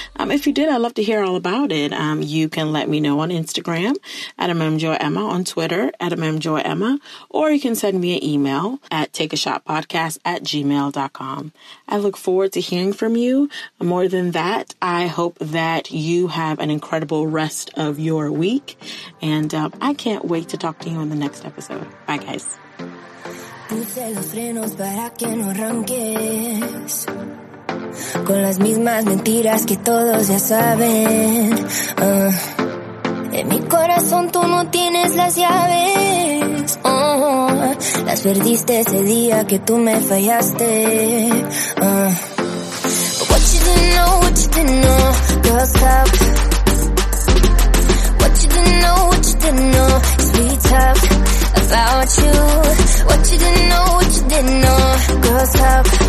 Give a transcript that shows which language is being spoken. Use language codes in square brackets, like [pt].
[en] If you did, I'd love to hear all about it. You can let me know on Instagram at MMJoyEmma, on Twitter at MMJoyEmma, or you can send me an email at takeashotpodcast@gmail.com. I look forward to hearing from you. More than that, I hope that you have an incredible rest of your week, and I can't wait to talk to you in the next episode. Bye, guys. [es] Puse los frenos para que no arranques con las mismas mentiras que todos ya saben. En mi corazón tú no tienes las llaves. Las perdiste ese día que tú me fallaste. [en] What you didn't know, what you didn't know, girl, stop. What you didn't know, what you didn't know, sweet talk. About you, what you didn't know, what you didn't know, girl, stop.